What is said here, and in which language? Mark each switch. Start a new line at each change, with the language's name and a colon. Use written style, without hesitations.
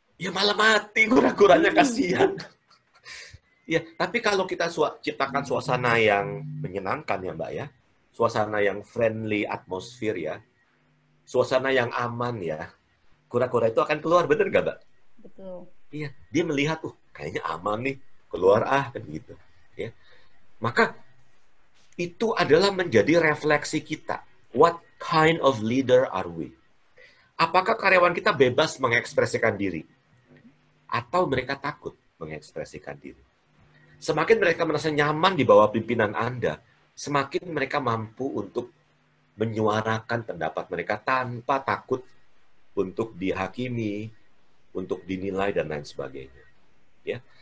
Indonesian: Ya malah mati kura-kuranya, kasihan. Ya, tapi kalau kita ciptakan suasana yang menyenangkan ya Mbak ya, suasana yang friendly atmosphere ya, suasana yang aman ya, kura-kura itu akan keluar, bener nggak Mbak? Betul. Iya, dia melihat tuh kayaknya aman nih, keluar ah kan gitu. Ya, maka itu adalah menjadi refleksi kita.
English: What kind of leader are we?
Indonesian: Apakah karyawan kita bebas mengekspresikan diri? Atau mereka takut mengekspresikan diri? Semakin mereka merasa nyaman di bawah pimpinan Anda, semakin mereka mampu untuk menyuarakan pendapat mereka tanpa takut untuk dihakimi, untuk dinilai, dan lain sebagainya. Ya?